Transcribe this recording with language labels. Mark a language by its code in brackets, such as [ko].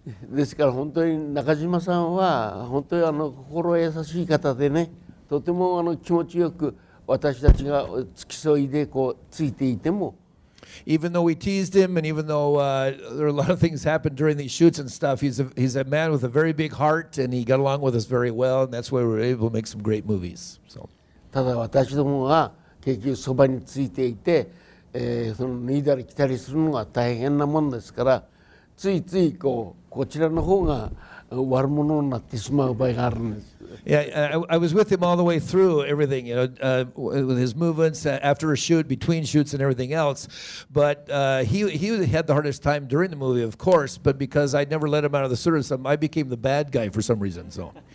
[ja] ですから本当に中島さんは本当に心優しい方でね、とても気持ちよく。私たちが付き添いでこうついていても、 [en] even though we teased him and even though there are a lot of things happened during these shoots and stuff, he's a man with a very big heart and he got along with us very well and that's why we were able to make some great movies. So. [ja] ただ私どもが結局そばについていて、その脱いだり着たりするのが大変なもんですから、ついついこうこちらの方が悪者になってしまう場合があるんです。 [en] Yeah, I was with him all the way through everything, you know, with his movements after a shoot, between shoots, and everything else. But he had the hardest time during the movie, of course. But because I never let him out of the suit, so I became the bad guy for some reason. So.